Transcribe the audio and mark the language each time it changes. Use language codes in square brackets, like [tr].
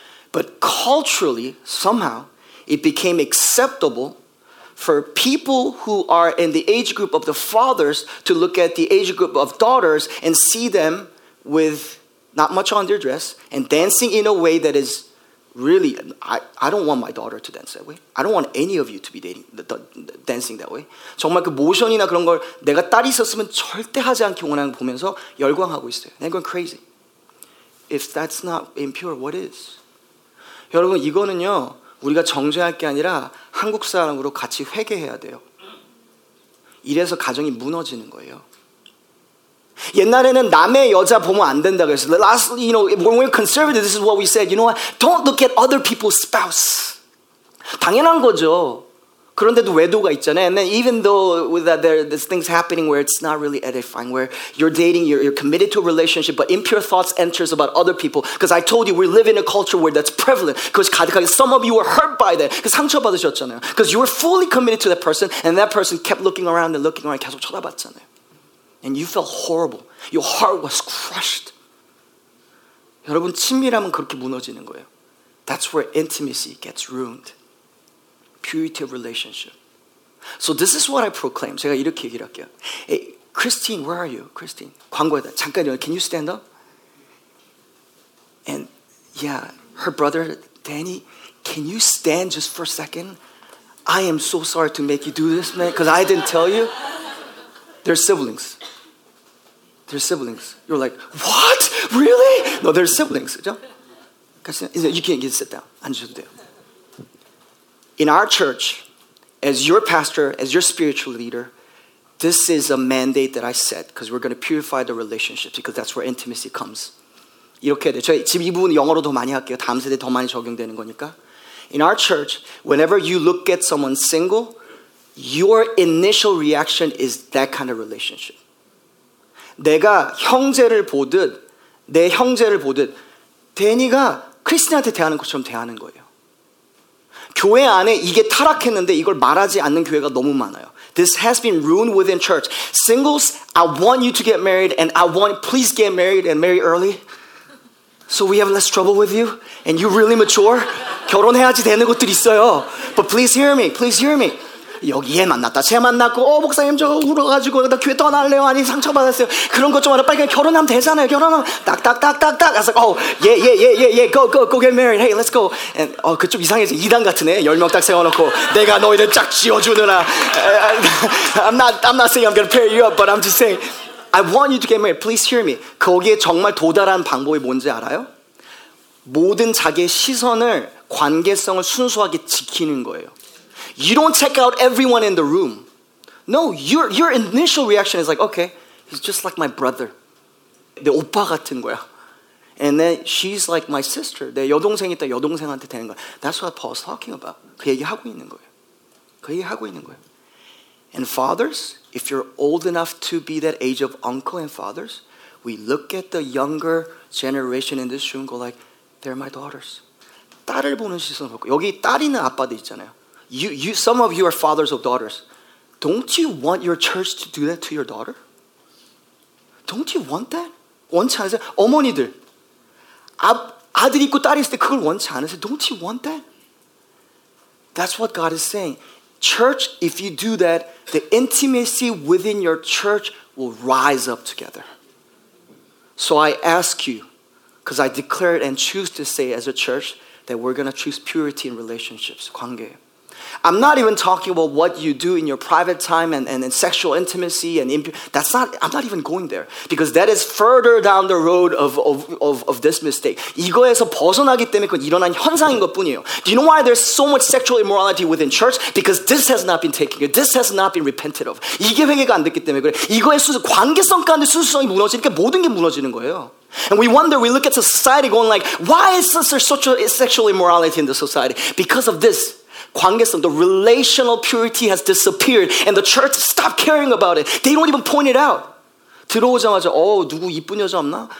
[en] But culturally, somehow, it became acceptable for people who are in the age group of the fathers to look at the age group of daughters and see them with not much on their dress and dancing in a way that is really, I don't want my daughter to dance that way. I don't want any of you to be dancing that way. [ko] 정말 그 모션이나 그런 걸 내가 딸이 있었으면 절대 하지 않기 원하는 걸 보면서 열광하고 있어요. [en] And I'm going crazy. If that's not impure, what is? [ko] 여러분 이거는요 우리가 정죄할 게 아니라 한국 사람으로 같이 회개해야 돼요. 이래서 가정이 무너지는 거예요. 옛날에는 남의 여자 보면 안 된다고 했어요. [en] Lastly, you know, when we're conservative, this is what we said. You know what? Don't look at other people's spouse. [ko] 당연한 거죠. 그런데도 외도가 있잖아요. [en] And then even though there's things happening where it's not really edifying, where you're dating, you're committed to a relationship, but impure thoughts enters about other people. Because I told you, we live in a culture where that's prevalent. Because [ko] 가득하게, [en] some of you were hurt by that. Because [ko] 상처받으셨잖아요. [en] Because you were fully committed to that person, and that person kept looking around, [ko] 계속 쳐다봤잖아요. [en] And you felt horrible. Your heart was crushed. [ko] 여러분, 친밀함은 그렇게 무너지는 거예요. [en] That's where intimacy gets ruined. Purity of relationship. So this is what I proclaim. [ko] 제가 이렇게 얘기를 할게요. [en] Hey, Christine, where are you? Christine, [ko] 광고에다. 잠깐요. [en] Can you stand up? And yeah, her brother, Danny, can you stand just for a second? I am so sorry to make you do this, man, because I didn't tell you. They're siblings. They're siblings. You're like, what? Really? No, they're siblings. You can't get sit down. [ko] 앉으셔도 돼요. [en] In our church, as your pastor, as your spiritual leader, this is a mandate that I set because we're going to purify the relationship because that's where intimacy comes. [ko] 이렇게 해야 돼. 저 지금 이 부분 영어로 더 많이 할게요. 다음 세대 더 많이 적용되는 거니까. [en] In our church, whenever you look at someone single, your initial reaction is that kind of relationship. [ko] 내가 형제를 보듯, 내 형제를 보듯, 데니가 크리스틴한테 대하는 것처럼 대하는 거예요. 교회 안에 이게 타락했는데 이걸 말하지 않는 교회가 너무 많아요. [en] This has been ruined within church. Singles, I want you to get married and I want, please get married and marry early. So we have less trouble with you and you really mature. [ko] 결혼해야지 되는 것들 있어요. [en] But please hear me, please hear me. [ko] 여기 얘 만났다, 쟤 만났고, 어, 목사님 저 울어가지고, 나 교회 떠날래요? 아니, 상처받았어요. 그런 것 좀 알아. 빨리 결혼하면 되잖아요. 결혼하면. 딱딱딱딱딱. [en] I was like, oh, yeah, yeah, yeah, yeah, yeah. Go, go, go get married. Hey, let's go. [ko] And, 어, 그 좀 이상해. 이단 같으네. 10명 딱 세워놓고. 내가 너희들 쫙 지어주느라. [en] I'm not saying I'm gonna pair you up, but I'm just saying, I want you to get married. Please hear me. [ko] 거기에 정말 도달한 방법이 뭔지 알아요? 모든 자기의 시선을, 관계성을 순수하게 지키는 거예요. [en] You don't check out everyone in the room. No, your initial reaction is like, okay, he's just like my brother. [ko] 내 오빠 같은 거야. [en] And then she's like my sister. [ko] 내 여동생이 있다 여동생한테 되는 거야. [en] That's what Paul's talking about. [ko] 그 얘기하고 있는 거야. [en] 그 얘기하고 있는 거야. And fathers, if you're old enough to be that age of uncle and fathers, we look at the younger generation in this room and go like, they're my daughters. [ko] 딸을 보는 시선을 갖고 여기 딸 있는 아빠도 있잖아요. [en] Some of you are fathers of daughters. Don't you want your church to do that to your daughter? Don't you want that? [ko] 원치 않으세요? 어머니들, 아들 있고 딸 있을 때 그걸 원치 않으세요? [en] Don't you want that? That's what God is saying. Church, if you do that, the intimacy within your church will rise up together. So I ask you, because I declare it and choose to say as a church, that we're going to choose purity in relationships, [ko] 관계에. [en] I'm not even talking about what you do in your private time and sexual intimacy and that's not. I'm not even going there because that is further down the road of this mistake. [ko] 이거에서 벗어나기 때문에 그건 일어난 현상인 것뿐이에요. [en] Do you know why there's so much sexual immorality within church? Because this has not been taken care. This has not been repented of. [ko] 이게 회개가 안 됐기 때문에 그래. 이거의 순수 관계성 가운데 순수성이 무너지니까 모든 게 무너지는 거예요. [en] And we wonder, we look at society going like, why is there such a sexual immorality in the society? Because of this. [ko] 관계성, [en] the relational purity has disappeared and the church stopped caring about it. They don't even point it out. [ko] 들어오자마자, 어, 누구 이쁜 여자 없나?